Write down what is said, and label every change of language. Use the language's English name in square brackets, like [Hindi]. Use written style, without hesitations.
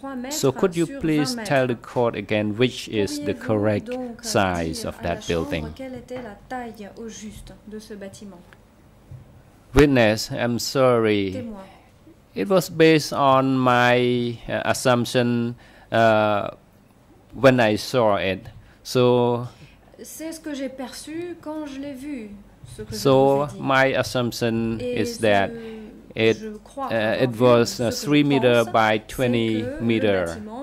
[English] So could you please tell the court again which is the correct size of that building? Witness, I'm sorry. It was based on my assumption when I saw it. So, [French] c'est ce que j'ai perçu quand je l'ai vu. [English] So my assumption is that it was 3 meters by 20 meters.